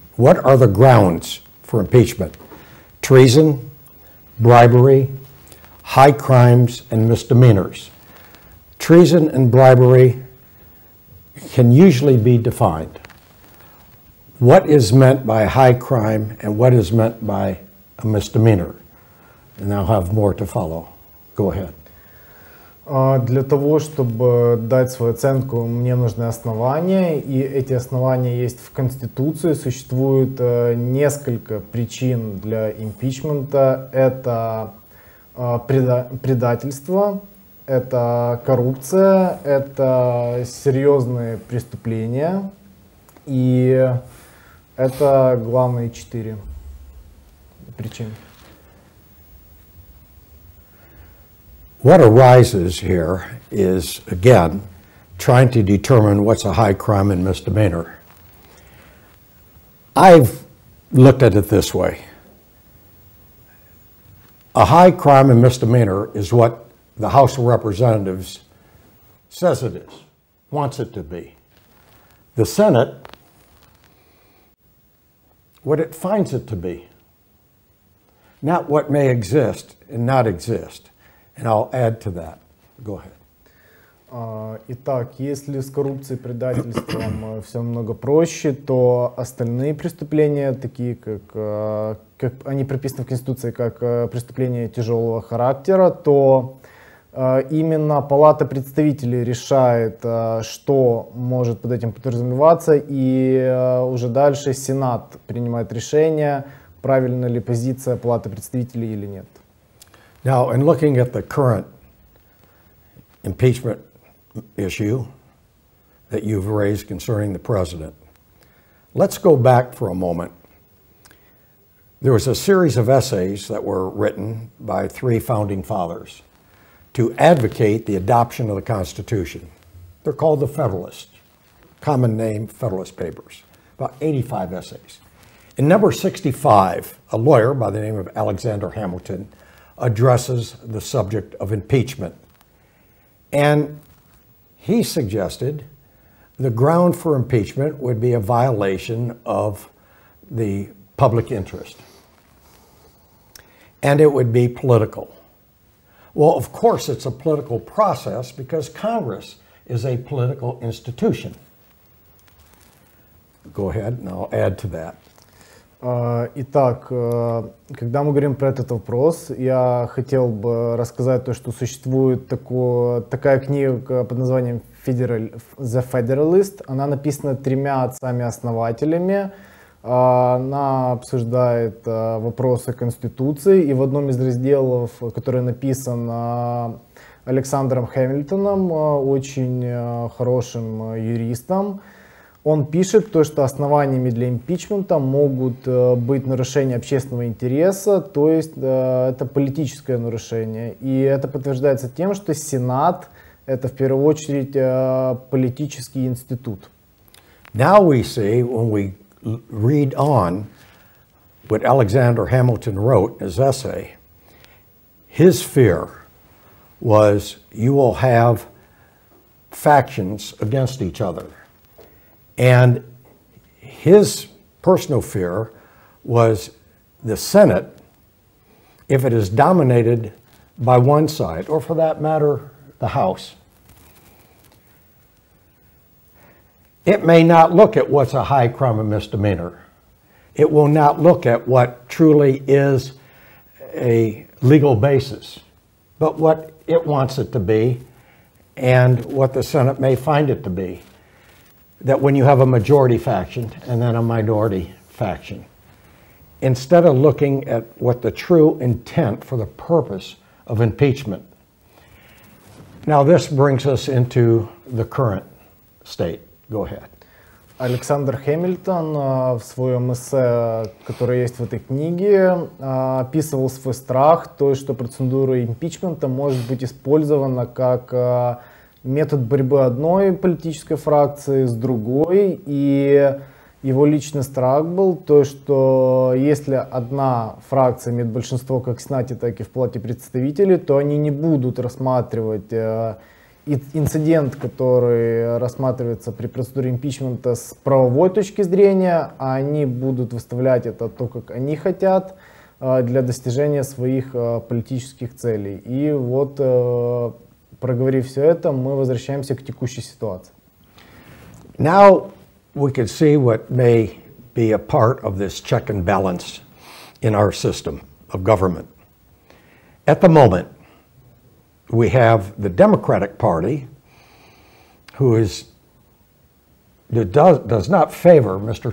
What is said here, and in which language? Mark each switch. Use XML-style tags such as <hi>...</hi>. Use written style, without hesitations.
<en>What are the grounds for impeachment? Treason, bribery, high crimes, and misdemeanors. Treason and bribery can usually be defined. what is meant by high crime and what is meant by a misdemeanor? And I'll have more to follow. Go ahead.</en> <ru>Для того, чтобы дать свою оценку, мне нужны основания, и эти основания есть в Конституции. Существует несколько причин для импичмента. Это предательство, это коррупция, это серьезные преступления, и это главные четыре причины.</ru> <en>What arises here is, again, trying to determine what's a high crime and misdemeanor. I've looked at it this way. A high crime and misdemeanor is what the House of Representatives says it is, wants it to be. The Senate, what it finds it to be. Not what may exist and not exist. And I'll add to that. Go ahead.</en> <ru>Итак, если с коррупцией и предательством все намного проще, то остальные преступления, такие как они прописаны в Конституции, как преступления тяжелого характера, то именно Палата представителей решает, что может под этим подразумеваться, и уже дальше Сенат принимает решение, правильна ли позиция Палаты представителей или нет.</ru> <en>Now, in looking at the current impeachment issue that you've raised concerning the president, let's go back for a moment. There was a series of essays that were written by three founding fathers to advocate the adoption of the Constitution. They're called the Federalists, common name, Federalist Papers, about 85 essays. In number 65, a lawyer by the name of Alexander Hamilton addresses the subject of impeachment. And he suggested the ground for impeachment would be a violation of the public interest. And it would be political. Well, of course, it's a political process because Congress is a political institution. Go ahead and I'll add to that.</en> <ru>Итак, когда мы говорим про этот вопрос, я хотел бы рассказать то, что существует такая книга под названием «The Federalist». Она написана тремя отцами-основателями. Она обсуждает вопросы Конституции. И в одном из разделов, который написан Александром Хэмилтоном, очень хорошим юристом, он пишет то, что основаниями для импичмента могут быть нарушения общественного интереса, то есть это политическое нарушение. И это подтверждается тем, что Сенат — это в первую очередь политический институт.</ru> <en>Now we see, when we read on what Alexander Hamilton wrote in his essay, his fear was you will have factions against each other. And his personal fear was the Senate, if it is dominated by one side, or for that matter, the House, it may not look at what's a high crime and misdemeanor. It will not look at what truly is a legal basis, but what it wants it to be and what the Senate may find it to be. That when you have a majority faction and then a minority faction, instead of looking at what the true intent for the purpose of impeachment. Now this brings us into the current state. Go ahead.</en> <ru>Александр Хэмилтон в своем эссе, которое есть в этой книге, описывал свой страх, то, что процедура импичмента может быть использована как метод борьбы одной политической фракции с другой, и его личный страх был то, что если одна фракция имеет большинство как в Сенате, так и в Палате представителей, то они не будут рассматривать инцидент, который рассматривается при процедуре импичмента с правовой точки зрения, а они будут выставлять это то, как они хотят, для достижения своих политических целей. И вот, проговорив все это, мы возвращаемся к текущей ситуации.</ru> <en>Now we can see what may be a part of this check and balance in our system of government. At the moment, we have the Democratic Party, who is does not favor Mr.</en>